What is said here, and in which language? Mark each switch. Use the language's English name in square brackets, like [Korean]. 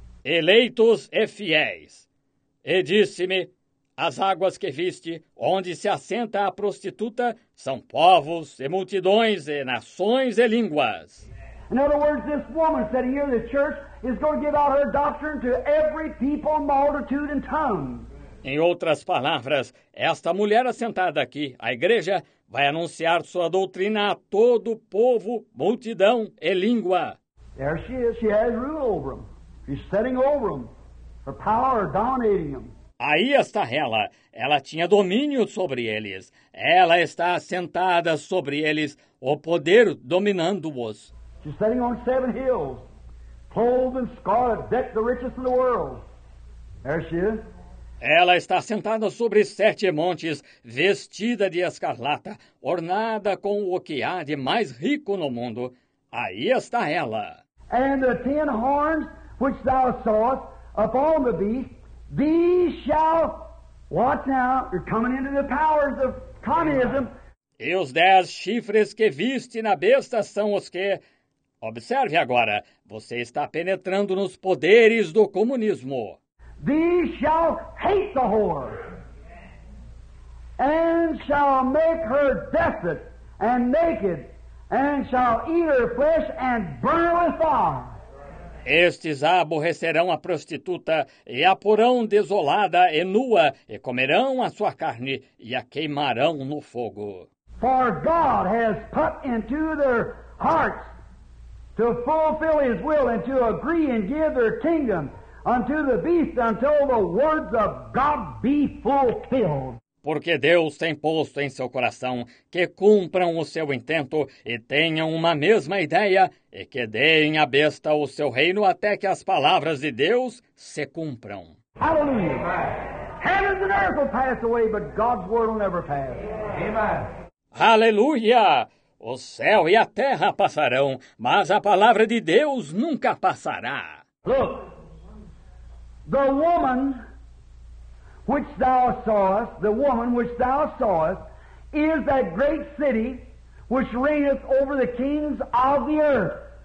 [Portuguese] Eleitos e fiéis. E disse-me, as águas que viste, onde se assenta a prostituta, são povos e multidões e nações e línguas. [English] In other words, this woman sitting here in the church is going to give out her doctrine to every people, multitude and tongue. [Portuguese] Em outras palavras, esta mulher assentada aqui, a igreja, vai anunciar sua doutrina a todo povo, multidão e língua. [English] There she is. She has rule over them. She's setting over them. Her power is dominating them. [Portuguese] Aí está ela. Ela tinha domínio sobre eles. Ela está sentada sobre eles, o poder dominando-os. [English] She's sitting on seven hills, clothed in scarlet, decked the richest in the world. There she is. [Portuguese] Ela está sentada sobre sete montes, vestida de escarlata, ornada com o que há de mais rico no mundo. Aí está ela. [English] And the 10 horns which thou sawest upon the beast, these shall, watch now, you're coming into the powers of communism. [Portuguese] E os 10 chifres que viste na besta são os que, observe agora, você está penetrando nos poderes do comunismo. [English] These shall hate the whore, and shall make her desolate and naked, and shall eat her flesh and burn her with fire. [Portuguese] Estes aborrecerão a prostituta e a porão desolada e nua, e comerão a sua carne e a queimarão no fogo. [English] For God has put into their hearts to fulfill his will and to agree and give their kingdom unto the beast until the words of God be fulfilled. [Portuguese] Porque Deus tem posto em seu coração que cumpram o seu intento e tenham uma mesma ideia e que deem à besta o seu reino até que as palavras de Deus se cumpram. Aleluia! [English] Heavens and earth will pass away, but God's word will never pass. Amen. [Portuguese] Aleluia! O céu e a terra passarão, mas a palavra de Deus nunca passará. [English] Look, the woman which thou sawest, the woman which thou sawest, is that great city which reigneth over the kings of the earth.